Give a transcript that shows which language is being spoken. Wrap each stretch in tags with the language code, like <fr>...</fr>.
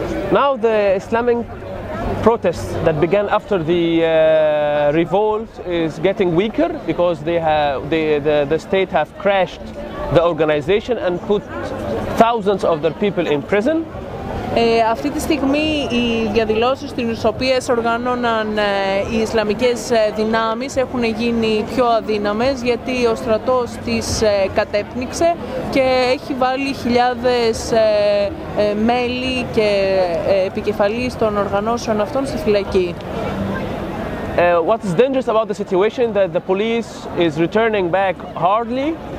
<en>Now the Islamic protests that began after the revolt is getting weaker because they have the state have crashed the organization and put thousands of their people in prison.</en> <el>Αυτή τη στιγμή οι διαδηλώσεις τις οποίες οργάνωναν οι Ισλαμικές δυνάμεις έχουν γίνει πιο αδύναμες γιατί ο στρατός τις κατέπνιξε και έχει βάλει χιλιάδες μέλη και επικεφαλής των οργανώσεων αυτών στη φυλακή.</el> <en>What is dangerous about the situation that the police is returning back hardly?</en>